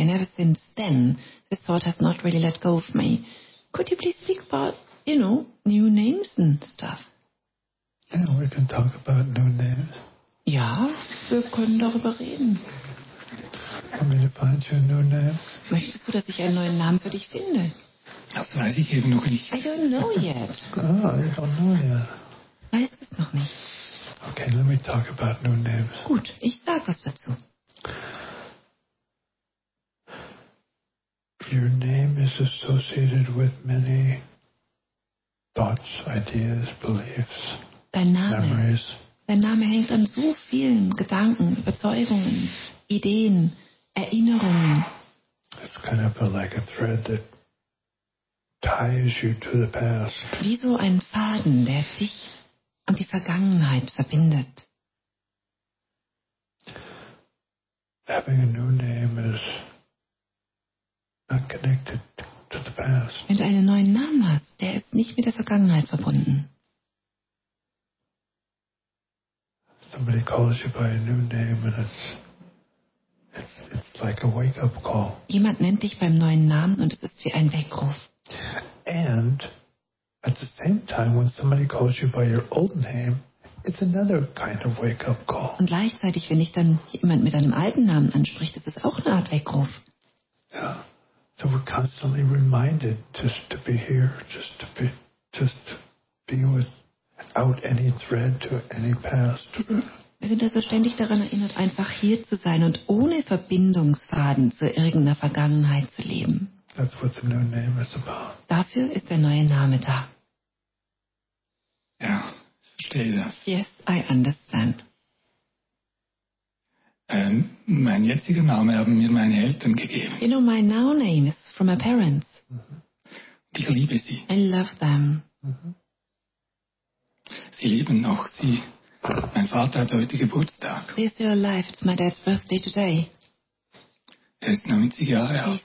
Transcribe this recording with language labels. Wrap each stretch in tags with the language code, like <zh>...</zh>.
<en>And ever since then, the thought has not really let go of me. Could you please speak about, you know, new names and stuff? Yeah, we can talk about new names.</en> <de>Ja, wir können darüber reden.</de> <en>Want me to find you a new name?</en> <de>Möchtest du, dass ich einen neuen Namen für dich finde? Das weiß ich eben noch nicht.</de> <en>I don't know yet. I don't know yet.</en> <de>Weißt du es noch nicht?</de> <en>Okay, let me talk about new names.</en> <de>Gut, ich sag was dazu.</de> <en>Your name is associated with many thoughts, ideas, beliefs, memories.</en> <de>Dein Name hängt an so vielen Gedanken, Überzeugungen, Ideen, Erinnerungen.</de> <en>It's kind of like a thread that ties you to the past.</en> <de>Wie so ein Faden, der dich an die Vergangenheit verbindet.</de> <en>Having a new name is not connected to the past.</en> <de>Wenn du einen neuen Namen hast, der ist nicht mit der Vergangenheit verbunden.</de> <en>Somebody calls you by a new name and it's like a wake-up call.</en> <de>Jemand nennt dich beim neuen Namen und es ist wie ein Weckruf.</de> <en>And at the same time, when somebody calls you by your old name, it's another kind of wake-up call.</en> <de>Und gleichzeitig, wenn ich dann jemand mit einem alten Namen anspricht, ist es auch eine Art Weckruf.</de> <en>Yeah. So we're constantly reminded just to be here, just to be without any thread to any past.</en> <de>Wir sind also ständig daran erinnert, einfach hier zu sein und ohne Verbindungsfaden zu irgendeiner Vergangenheit zu leben.</de> <en>That's what the new name is about.</en> <de>Dafür ist der neue Name da. Ja, ich verstehe das.</de> <en>Yes, I understand.</en> <de>Mein jetziger Name haben mir meine Eltern gegeben.</de> <en>You know, my now name is from my parents.</en> <de>Mm-hmm. Ich liebe sie.</de> <en>I love them. Mm-hmm.</en> <de>Sie leben noch. Mein Vater hat heute Geburtstag.</de> <en>They're still alive. It's my dad's birthday today.</en> <de>Er ist 90 Jahre alt.</de>